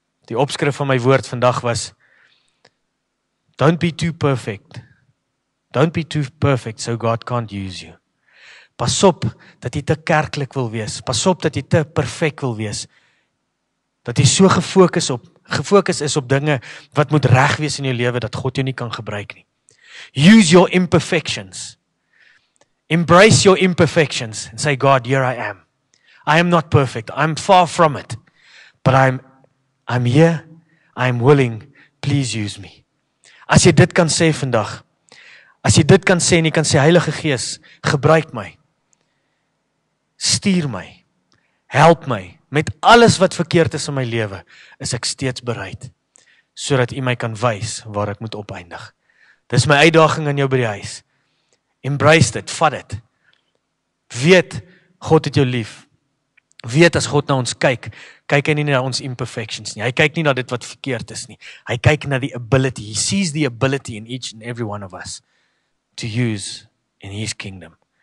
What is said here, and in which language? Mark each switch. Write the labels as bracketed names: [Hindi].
[Afrikaans] Die opskrif van my woord vandag was, [English] Don't be too perfect so God can't use you. [Afrikaans] Pas op dat jy te kerklik wil wees. Pas op dat jy te perfek wil wees. Dat jy so gefokus is op dinge wat moet reg wees in jou lewe, dat God jou nie kan gebruik nie. [English] Use your imperfections. Embrace your imperfections and say, God, here I am. I am not perfect. I'm far from it. But I'm here. I'm willing. Please use me. [Afrikaans] As jy dit kan sê vandag, as jy dit kan sê en jy kan sê, Heilige Gees, gebruik my. Stuur my. Help my. Met alles wat verkeerd is in my lewe, is ek steeds bereid, sodat jy my kan wys waar ek moet opeindig. Dis my uitdaging aan jou by die huis. Embrace dit, vat dit. Weet, God het jou lief. Weet, as God na ons kyk, kyk hy nie na ons imperfections nie. Hy kyk nie na dit wat verkeerd is nie. Hy kyk na die ability. [English] He sees the ability in each and every one of us to use in his kingdom.